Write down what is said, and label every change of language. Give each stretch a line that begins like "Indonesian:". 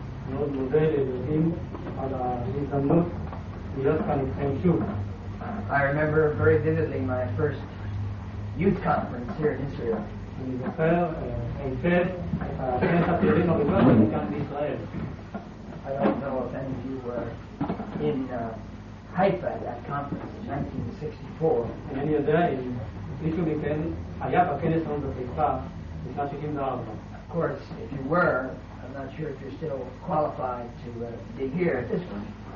Hebrew: מאוד מודה לדברים על ההזדמנות להיות כאן איתכם שוב.
English: I remember very vividly my first youth conference here in Israel.
Hebrew: אני זוכר היטב את הכנס הפעילים הראשון שלי כאן בישראל.
English: I don't know if any of you were in Haifa at that conference in 1964.
Hebrew: אני יודע אם מישהו מכן היה בכנס הזה בחיפה בשנת 64.
English: Of course, if you were, I'm not sure if you're still qualified to be here at this point.